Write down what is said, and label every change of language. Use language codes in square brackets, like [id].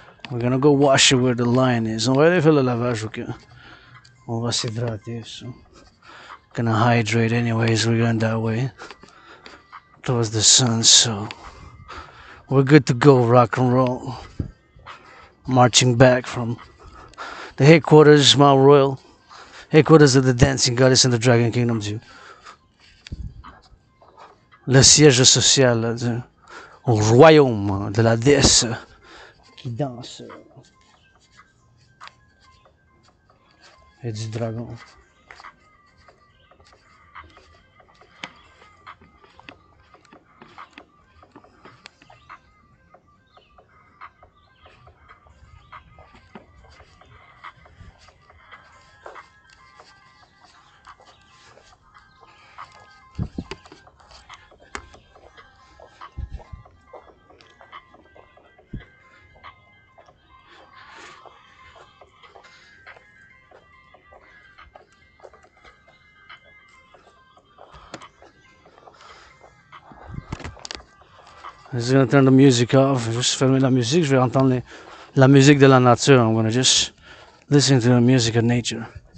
[en] We're gonna go wash it where the lion is. [fr] On va aller faire le lavage où que on va s'hydrater. [en] So. Gonna hydrate anyways. We're going that way towards the sun. So we're good to go. Rock and roll. Marching back from the headquarters, Mount Royal, headquarters of the Dancing Goddess and the Dragon Kingdom too. [fr] Le siège social du royaume de la déesse qui danse et du dragon. Je vais entendre la musique off. Je vais fermer la musique. Je vais entendre la musique de la nature. [en] I'm gonna just listen to the music of nature.